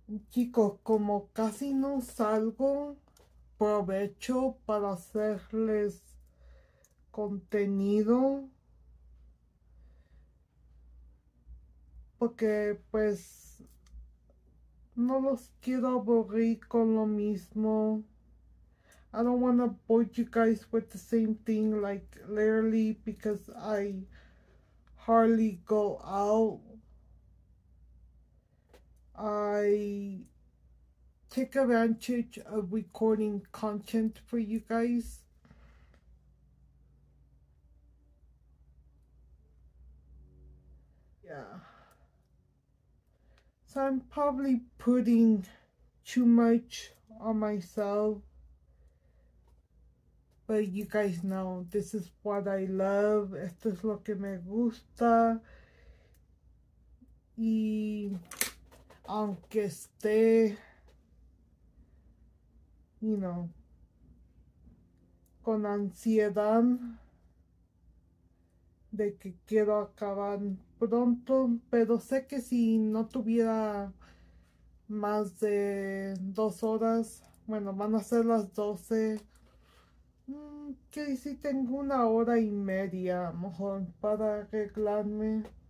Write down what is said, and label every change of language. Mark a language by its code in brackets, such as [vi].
[es] Chicos, como casi no salgo, aprovecho para hacerles contenido. Porque pues no los quiero aburrir con lo mismo. [en] I don't want to bore you guys with the same thing, like literally, because I hardly go out. I take advantage of recording content for you guys. Yeah. So I'm probably putting too much on myself, but you guys know, this is what I love, [es] esto es lo que me gusta, Y aunque esté, con ansiedad de que quiero acabar pronto, pero sé que si no tuviera más de 2 horas, bueno, van a ser las 12, que si tengo 1 hora y media, a lo mejor, para arreglarme.